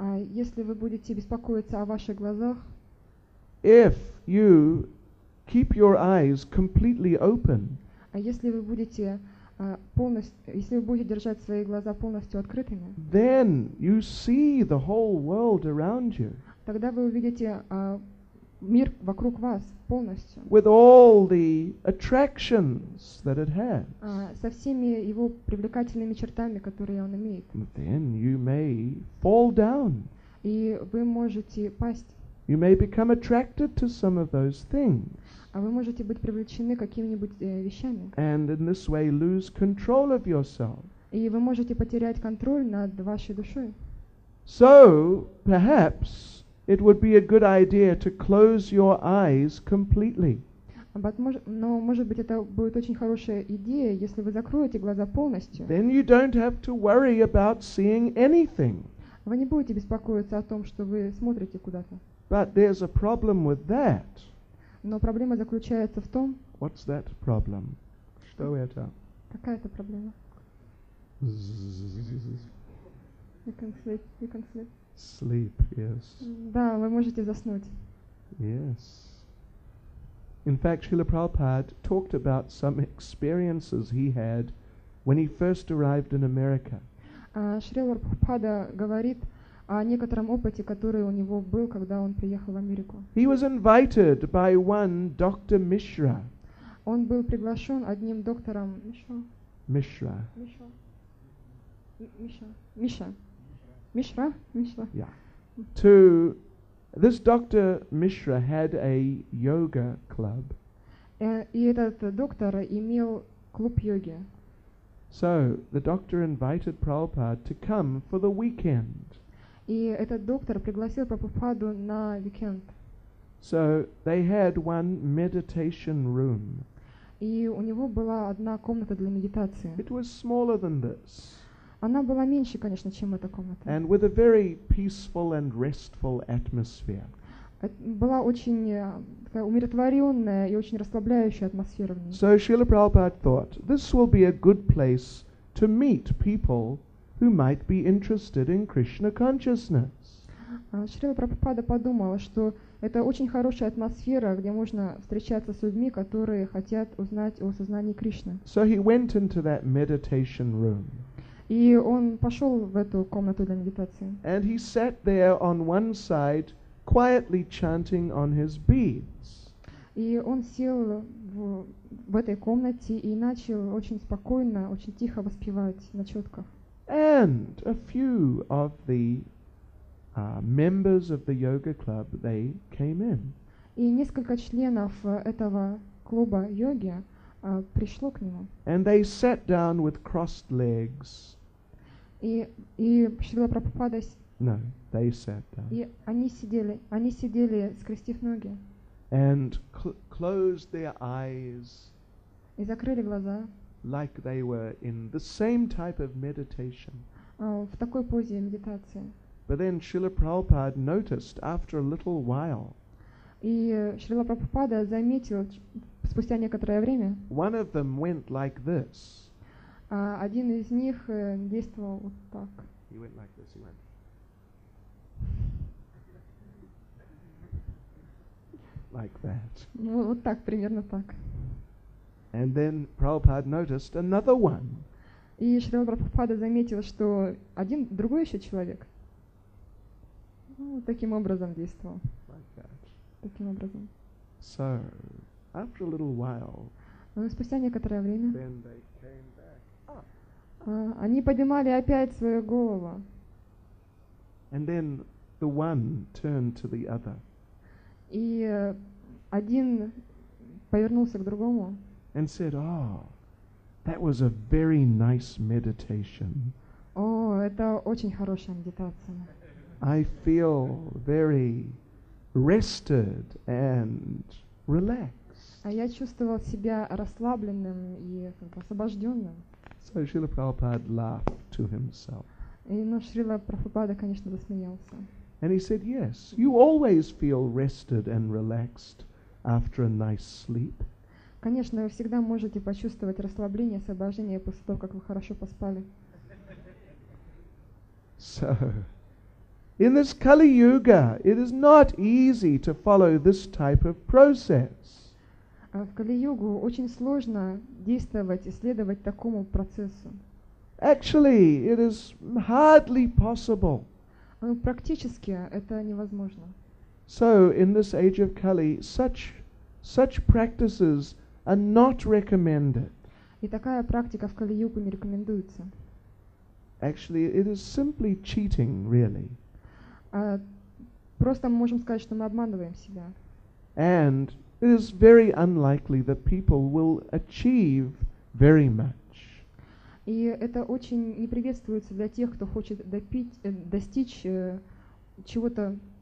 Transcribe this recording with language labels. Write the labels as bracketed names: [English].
[Russian] если вы будете беспокоиться о ваших глазах, [English] if you keep your eyes completely open, [Russian] если вы будете держать свои глаза полностью открытыми, [English] then you see the whole world around you. [Russian] Тогда вы увидите мир вокруг вас полностью. [English] With all the attractions that it has. [Russian] Со всеми его привлекательными чертами, которые он имеет. [English] Then you may fall down. [Russian] И вы можете пасть. [English] You may become attracted to some of those things. [Russian] А вы можете быть привлечены какими-нибудь вещами. [English] And in this way lose control of yourself. [Russian] И вы можете потерять контроль над вашей душой. [English] So, perhaps it would be a good idea to close your eyes completely. [Russian] Но, может быть, это будет очень хорошая идея, если вы закроете глаза полностью. [English] Then you don't have to worry about seeing anything. [Russian] Вы не будете беспокоиться о том, что вы смотрите куда-то. [English] But there's a problem with that. [Russian] Но проблема заключается в том. [English] What's that problem? [Russian] Что это? Какая это проблема? [English] You can sleep. Sleep, yes. [Russian] Да, вы можете заснуть. [English] Yes. In fact, Srila Prabhupada talked about some experiences he had when he first arrived in America. [Russian] Шрила Прабхупада говорит о некотором опыте, который у него был, когда он приехал в Америку. [English] He was invited by one Dr. Mishra. [Russian] Он был приглашен одним доктором Мишра. [English] Yeah. This Dr. Mishra had a yoga club. [Russian] И этот доктор имел клуб йоги. [English] So the doctor invited Prabhupada to come for the weekend. [Russian] И этот доктор пригласил Прабхупаду на уикенд. [English] So they had one meditation room. [Russian] И у него была одна комната для медитации. [English] It was smaller than this. [Russian] Она была меньше, конечно, чем эта комната. [English] And with a very peaceful and restful atmosphere. [Russian] была очень умиротворенная и очень расслабляющая атмосфера в ней. [English] So Srila Prabhupada thought, this will be a good place to meet people who might be interested in Krishna consciousness. [Russian] Шрила Прабхупада подумала, что это очень хорошая атмосфера, где можно встречаться с людьми, которые хотят узнать о сознании Кришны. [English] So he went into that meditation room. [Russian] И он пошел в эту комнату для медитации. [English] And he sat there on one side, quietly chanting on his beads. [Russian] И он сел в этой комнате и начал очень спокойно, очень тихо воспевать на четках. [English] And a few of the members of the yoga club, they came in. [Russian] И несколько членов этого клуба йоги пришло к нему. [English] And they sat down with crossed legs. [Russian] И Шрила Прабхупада [English] No, they sat down. [Russian] И они сидели, скрестив ноги. [English] And closed their eyes. [Russian] И закрыли глаза. [English] Like they were in the same type of meditation. [Russian] В такой позе медитации. [English] But then Srila Prabhupada noticed after a little while. [Russian] И Шрила Прабхупада заметил спустя некоторое время. [English] One of them went like this. [Russian] Один из них действовал вот так. [English] He went like this. He went. Like that. [Russian] Вот так, примерно так. [English] And then Prabhupada noticed another one. [Russian] И Шрила Прабхупада заметил, что один другой еще человек. Таким образом действовал. [English] Like that. [Russian] Таким образом. [English] So, after a little while. [Russian] Спустя некоторое время. [English] Then they came back. [Russian] Они поднимали опять свою голову. [English] And then the one turned to the other. [Russian] И один повернулся к другому. [English] And said, "Oh, that was a very nice meditation." [Russian] О, это очень хорошая медитация. [English] I feel very rested and relaxed. [Russian] А я чувствовал себя расслабленным и освобожденным. [English] So Srila Prabhupada laughed to himself. [Russian] И Шрила Прабхупада, конечно, засмеялся. [English] And he said, "Yes, you always feel rested and relaxed after a nice sleep." [Russian] Конечно, вы всегда можете почувствовать расслабление, освобождение после того, как вы хорошо поспали. [English] So, in this Kali Yuga, it is not easy to follow this type of process. [Russian] В Кали-йогу очень сложно действовать и следовать такому процессу. [English] Actually, it is hardly possible. [Russian] Практически это невозможно. [English] So in this age of Kali, such practices are not recommended. [Russian] И такая практика в Кали-йогу не рекомендуется. [English] Actually, it is simply cheating, really. [Russian] Просто мы можем сказать, что мы обманываем себя. [English] And it is very unlikely that people will achieve very much. [Russian] И это очень не приветствуется для тех, кто хочет достичь чего-то.